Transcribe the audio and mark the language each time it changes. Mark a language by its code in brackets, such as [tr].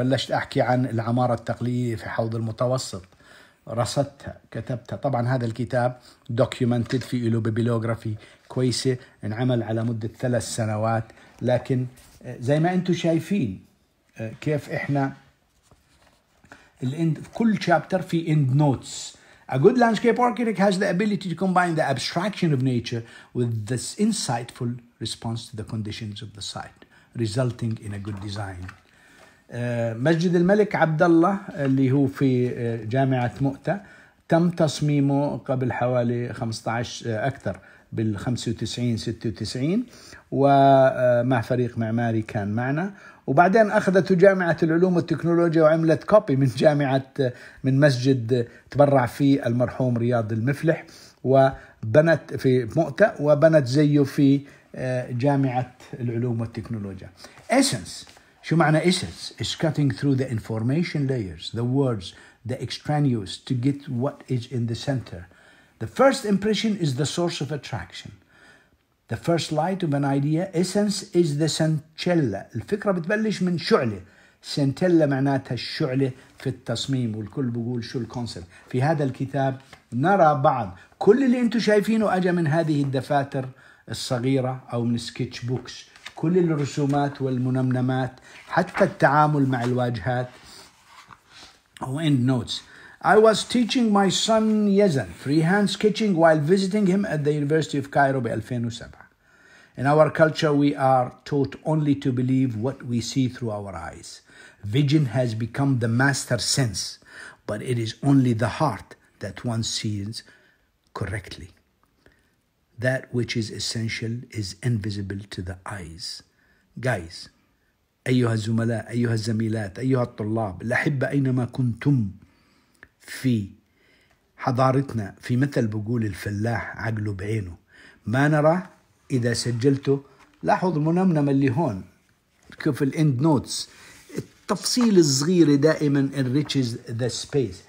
[ar] بلشت أحكي عن العمارة التقليدية في حوض المتوسط, رصدتها كتبتها. طبعا هذا الكتاب documented في إله بيبليوغرافي كويسة, انعمل على مدة 3 سنوات. لكن زي ما أنتوا شايفين كيف إحنا الاند في كل شابتر في اند نوتس. [en] A good landscape architect has the ability to combine the abstraction of nature with this insightful response to the conditions of the site, resulting in a good design. [ar] مسجد الملك عبد الله اللي هو في جامعة مؤتة تم تصميمه قبل حوالي 15 أكثر بال 95-96, ومع فريق معماري كان معنا. وبعدين أخذته جامعة العلوم والتكنولوجيا وعملت كوبي من جامعة من مسجد تبرع فيه المرحوم رياض المفلح, وبنت في مؤتة وبنت زيه في جامعة العلوم والتكنولوجيا. Essence, شو معنى essence? [en] It's cutting through the information layers, the words, the extraneous to get what is in the center. The first impression is the source of attraction. The first light of an idea, essence, is the centella. [ar] الفكرة بتبلش من شعلة. Centella معناتها الشعلة في التصميم, والكل بيقول شو الكونسبت. في هذا الكتاب نرى بعض. كل اللي انتو شايفينه أجا من هذه الدفاتر الصغيرة أو من سكيتش بوكس. كل الرسومات والمنمنمات حتى التعامل مع الواجهات. [en] End notes. I was teaching my son Yazan freehand sketching while visiting him at the University of Cairo by 2007. In our culture, we are taught only to believe what we see through our eyes. Vision has become the master sense, but it is only the heart that one sees correctly. That which is essential is invisible to the eyes. [ar] Guys, أيها الزملاء, أيها الزميلات, أيها الطلاب, الأحبة, أينما كنتم في حضارتنا, في مثل بقول الفلاح عقله بعينه ما نرى إذا سجلته. لاحظ المنمنمة اللي هون في الاند نوتس, التفصيل الصغير دائما [en] enriches the space.